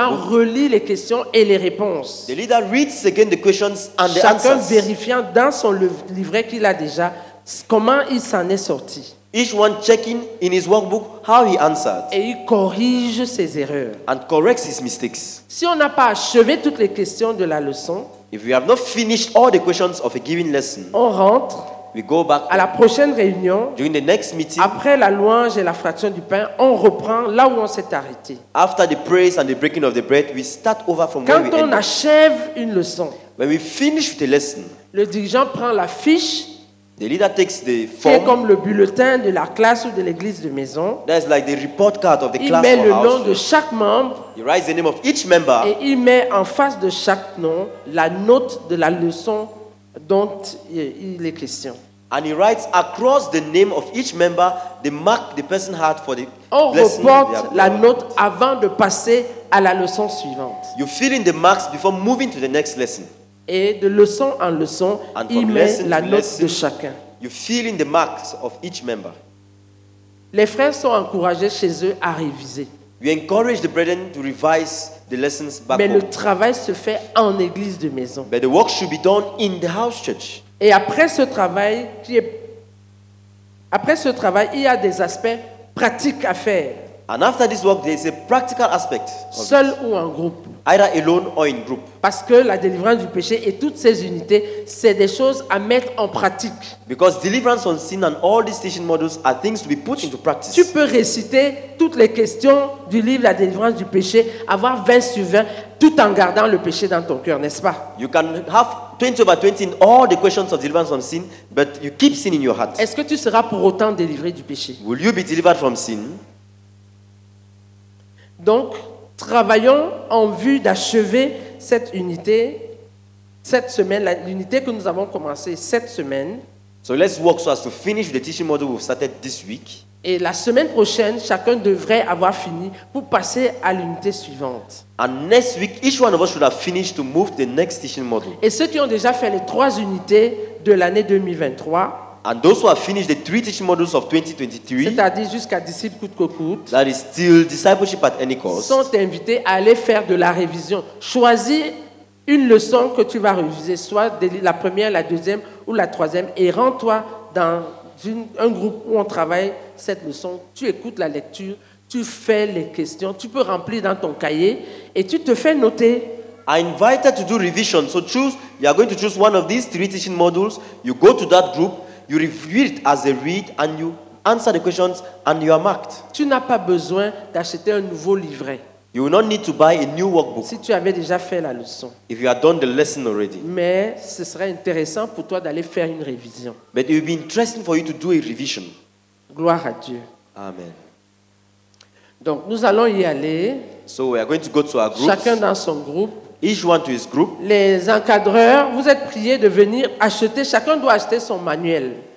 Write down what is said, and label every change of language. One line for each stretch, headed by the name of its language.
French: Le dirigeant relit les questions et les réponses.
English: The leader reads again the questions and
French: chacun
English: the answers.
French: Chacun vérifiant dans son livret qu'il a déjà comment il s'en est sorti.
English: Each one checking in his workbook how he answered.
French: Et il corrige ses erreurs.
English: And corrects his mistakes.
French: Si on n'a pas achevé toutes les questions de la leçon,
English: if we have not finished all the questions of a given lesson,
French: on rentre.
English: We go back
French: à la prochaine réunion,
English: during the next meeting,
French: après la louange et la fraction du pain, on reprend là où on s'est arrêté.
English: After the praise and the breaking of the bread, we start over from
French: quand
English: where we ended.
French: Quand on achève une leçon,
English: when we finish with a lesson,
French: le dirigeant prend la fiche
English: The leader takes the form.
French: C'est comme le bulletin de la classe ou de l'église de maison.
English: That's like the report card of the
French: il
English: class
French: met le
English: house.
French: Nom de chaque membre.
English: He writes the name of each member.
French: Et il met en face de chaque nom la note de la leçon dont il est question.
English: And he writes across the name of each member the mark the person had for the
French: on reporte la note avant de passer à la leçon suivante.
English: You fill in the marks before moving to the next lesson.
French: Et de leçon en leçon, il met la note de chacun.
English: You fill in the marks of each member.
French: Les frères sont encouragés chez eux à réviser.
English: We encourage the brethren to revise the lessons back.
French: Mais le travail se fait en église de maison.
English: But the work should be done in the house church.
French: Et après ce travail, il y a des aspects pratiques à faire.
English: And after this work, there is a practical aspect.
French: Seul ou en groupe.
English: Either alone or in group.
French: Parce que la délivrance du péché et toutes ces unités, c'est des choses à mettre en pratique.
English: Because deliverance on sin and all these teaching models are things to be put into practice.
French: Tu peux réciter toutes les questions du livre La délivrance du péché, avoir 20 sur 20, tout en gardant le péché dans ton cœur, n'est-ce pas?
English: You can have 20 over 20 in all the questions of deliverance on sin, but you keep sin in your heart.
French: Est-ce que tu seras pour autant délivré du péché?
English: Will you be delivered from sin?
French: Donc, travaillons en vue d'achever cette unité, cette semaine, l'unité que nous avons commencée cette semaine.
English: So let's work so as to finish the teaching model we've started this week.
French: Et la semaine prochaine, chacun devrait avoir fini pour passer à l'unité suivante.
English: And next week, each one of us should have finished to move to the next teaching model.
French: Et ceux qui ont déjà fait les trois unités de l'année 2023...
English: And those who have finished the three teaching modules of 2023,
French: c'est-à-dire jusqu'à disciple coûte que coûte,
English: that is still discipleship at any cost,
French: sont invités à aller faire de la révision. Choisis une leçon que tu vas réviser, soit la première, la deuxième ou la troisième, et rends-toi dans un groupe où on travaille cette leçon. Tu écoutes la lecture, tu fais les questions, tu peux remplir dans ton cahier et tu te fais noter.
English: I invite you to do revision. So choose, you are going to choose one of these three teaching modules. You go to that group. You review it as a read and you answer the questions and you are marked.
French: Tu n'as pas besoin d'acheter un nouveau livret.
English: You will not need to buy a new workbook.
French: Si tu avais déjà fait la leçon.
English: If you had done the lesson already.
French: Mais ce serait intéressant pour toi d'aller faire une révision.
English: But it would be interesting for you to do a revision.
French: Gloire à Dieu. Amen. Donc nous allons y aller.
English: So we are going to go to our groups.
French: Chacun dans son groupe.
English: Each one to his group.
French: Les encadreurs, vous êtes priés de venir acheter. Chacun doit acheter son manuel.